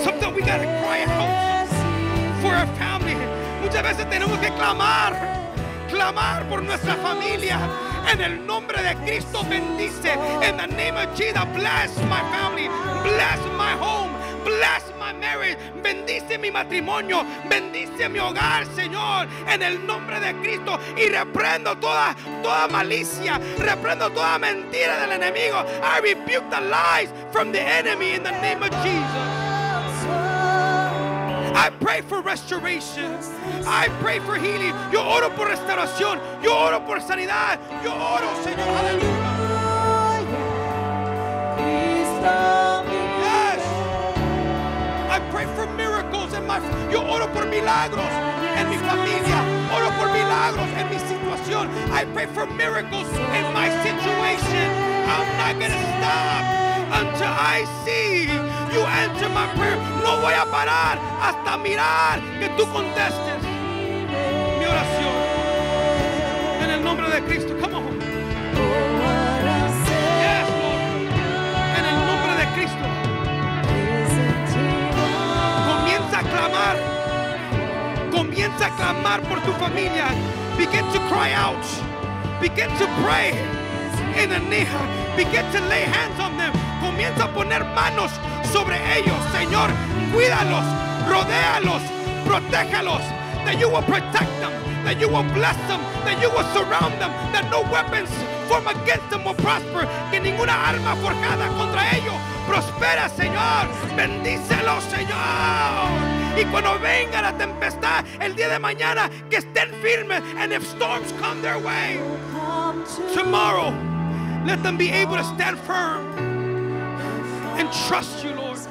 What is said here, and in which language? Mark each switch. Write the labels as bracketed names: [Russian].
[English] Sometimes we gotta cry out for our family. [Spanish] Muchas veces tenemos que clamar, clamar por nuestra familia. En el nombre de Cristo bendice. [English] In the name of Jesus, bless my family, bless my home, bless my marriage. [Spanish] Bendice mi matrimonio, bendice mi hogar, Señor. En el nombre de Cristo, y reprendo toda malicia, reprendo toda mentira del enemigo. [English] I rebuke the lies from the enemy in the name of Jesus. I pray for restoration. I pray for healing. [Spanish] Yo oro por restauración. Yo oro por sanidad. Yo oro, Señor. [English] Hallelujah. Yes. I pray for miracles in my. [Spanish] Yo oro por milagros en mi familia. Oro por milagros en mi situación. [English] I pray for miracles in my situation. I'm not gonna stop until I see you answer my prayer. [Spanish] No voy a parar hasta mirar que tú contestes mi oración. En el nombre de Cristo, [English] come on. Yes, Lord. [Spanish] En el nombre de Cristo. Comienza a clamar. Comienza a clamar por tu familia. [English] Begin to cry out. Begin to pray in the name. Begin to lay hands on them. [Spanish] Comienza a poner manos sobre ellos, Señor. Cuídalos, rodéalos, protégelos. [English] That you will protect them, that you will bless them, that you will surround them, that no weapons formed against them will prosper. [Spanish] Que ninguna arma forjada contra ellos prospera, Señor. Bendícelos, Señor. Y cuando venga la tempestad el día de mañana, que estén firmes. [English] And if storms come their way tomorrow, let them be able to stand firm and trust you, Lord.